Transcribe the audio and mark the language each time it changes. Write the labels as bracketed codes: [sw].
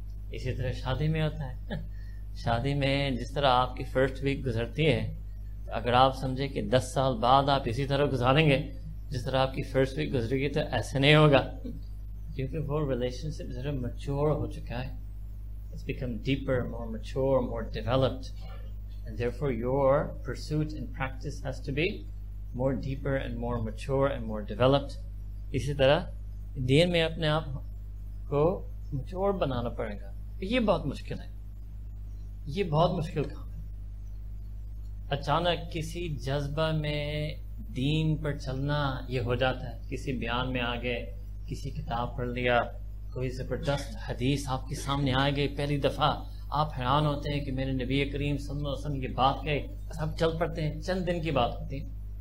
[ur] اسی طرح شادی میں ہوتا ہے, شادی میں جس طرح آپ کی فرسٹ ویک گزرتی ہے, اگر آپ سمجھے کہ 10 سال بعد آپ اسی طرح گزاریں گے جس طرح آپ کی فرسٹ ویک گزرے گی تو ایسے نہیں ہوگا, کیونکہ وہ ریلیشن شپ ذرا میچور ہو چکا ہے. [en] It's become deeper, more mature, more developed. And therefore your pursuit and practice has to be more deeper and more mature and more developed. [ur] اسی طرح دین میں اپنے آپ کو مچور بنانا پڑے گا. یہ بہت مشکل ہے, یہ بہت مشکل کام ہے. اچانک کسی جذبہ میں دین پر چلنا یہ ہو جاتا ہے, کسی بیان میں آگے, کسی کتاب پڑھ لیا, کوئی زبردست حدیث آپ کے سامنے آئے گئے پہلی دفعہ, آپ حیران ہوتے ہیں کہ میرے نبی کریم صلی اللہ علیہ وسلم یہ بات کہے, بس آپ چل پڑتے ہیں, چند دن کی بات ہوتی ہے.